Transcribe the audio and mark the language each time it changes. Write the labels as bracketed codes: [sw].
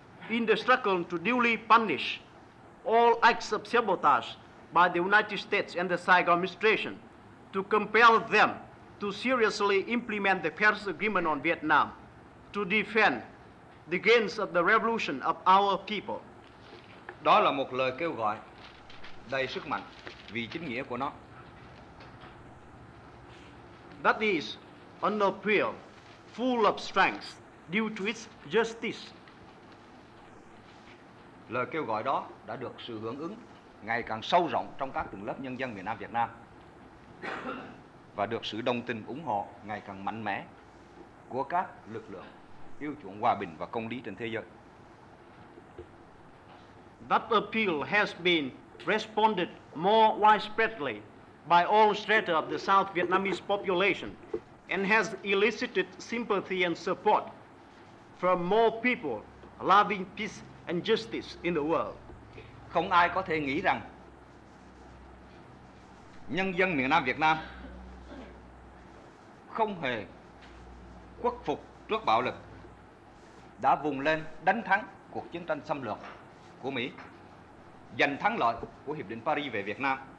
[en] in the struggle to duly punish all acts of sabotage by the United States and the Saigon administration, to compel them to seriously implement the Paris Agreement on Vietnam, to defend the gains of the revolution of our people. [vi] Đó là một lời kêu gọi đầy sức mạnh vì chính nghĩa của nó. [en] That is an appeal full of strength due to its justice. [vi] Lời kêu gọi đó đã được sự hưởng ứng ngày càng sâu rộng trong các tầng lớp nhân dân miền Nam Việt Nam và được sự đồng tình ủng hộ ngày càng mạnh mẽ của các lực lượng yêu chuộng hòa bình và công lý trên thế giới. [en] That appeal has been responded more widespreadly by all strata of the South Vietnamese population and has elicited sympathy and support from more people loving peace and justice in the world. [vi] Không ai có thể nghĩ rằng nhân dân miền Nam Việt Nam không hề khuất phục trước bạo lực, đã vùng lên đánh thắng cuộc chiến tranh xâm lược của Mỹ, giành thắng lợi của Hiệp định Paris về Việt Nam.